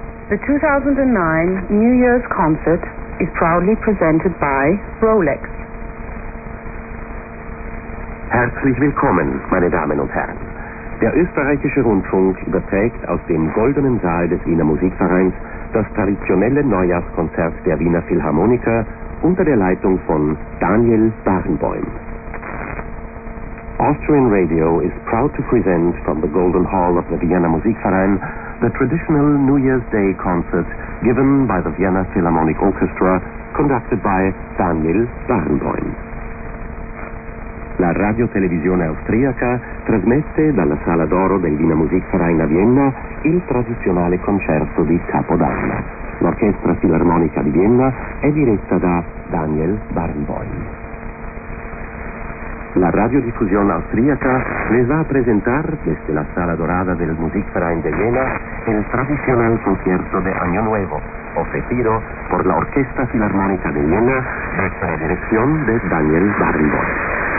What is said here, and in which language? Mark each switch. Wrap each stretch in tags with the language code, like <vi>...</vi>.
<en>The 2009 New Year's concert is proudly presented by Rolex.</en> <de>Herzlich willkommen, meine Damen und Herren. Der österreichische Rundfunk überträgt aus dem goldenen Saal des Wiener Musikvereins das traditionelle Neujahrskonzert der Wiener Philharmoniker unter der Leitung von Daniel Barenboim.</de> <en>Austrian Radio is proud to present from the Golden Hall of the Vienna Musikverein the traditional New Year's Day concert given by the Vienna Philharmonic Orchestra, conducted by Daniel Barenboim.</en> <it>La radio televisione austriaca trasmette dalla Sala d'Oro del Wiener Musikverein a Vienna il tradizionale concerto di Capodanno. L'Orchestra Filarmonica di Vienna è diretta da Daniel Barenboim.</it> <es>La radiodiffusione austriaca le va a presentar desde la Sala Dorada del Musikverein de Vienna el tradicional concierto de Año Nuevo, ofrecido por la Orquesta Filarmónica de Vienna bajo la dirección de Daniel Barenboim.</es>